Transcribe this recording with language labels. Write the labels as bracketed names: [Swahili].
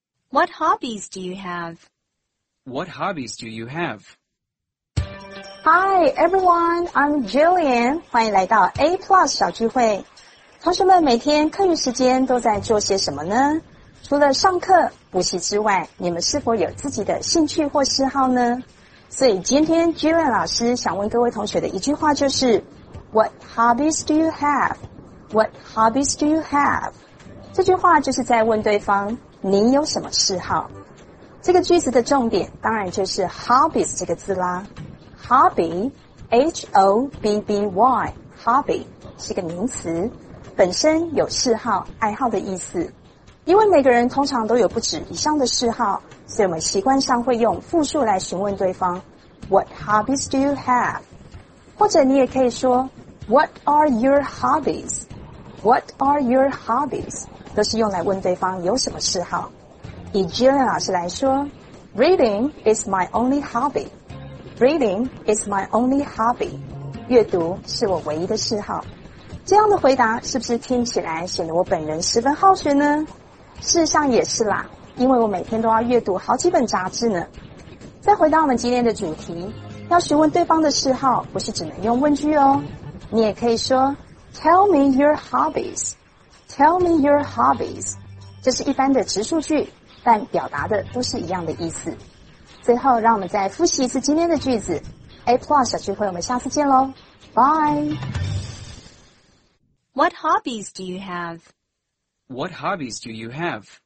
[English] What hobbies do you have? What hobbies do you have? Hi, everyone. I'm Jillian. [Chinese] 欢迎来到 A Plus 小聚会。同学们每天课余时间都在做些什么呢？除了上课、补习之外，你们是否有自己的兴趣或嗜好呢？所以今天 Jillian 老师想问各位同学的一句话就是 [English] What hobbies do you have? What hobbies do you have? [Chinese] 这句话就是在问对方你有什么嗜好。这个句子的重点当然就是 hobbies 这个字啦。 Hobby, H-O-B-B-Y, hobby 是个名词，本身有嗜好、爱好的意思。因为每个人通常都有不止以上的嗜好，所以我们习惯上会用复数来询问对方 [English] What hobbies do you have? [Chinese] 或者你也可以说 [English] What are your hobbies? What are your hobbies? [Chinese] 都是用来问对方有什么嗜好。以 Jillian 老师来说 [English] Reading is my only hobby. Reading is my only hobby. [Chinese] 阅读是我唯一的嗜好。这样的回答是不是听起来显得我本人十分好学呢？事实上也是啦，因为我每天都要阅读好几本杂志呢。再回到我们今天的主题，要询问对方的嗜好，不是只能用问句哦。你也可以说 [English] Tell me your hobbies. Tell me your hobbies. [Chinese] 这是一般的直述句，但表达的都是一样的意思。最后让我们再复习一次今天的句子。A Plus 小聚会，我们下次见咯。 [English] Bye. What hobbies do you have? What hobbies do you have?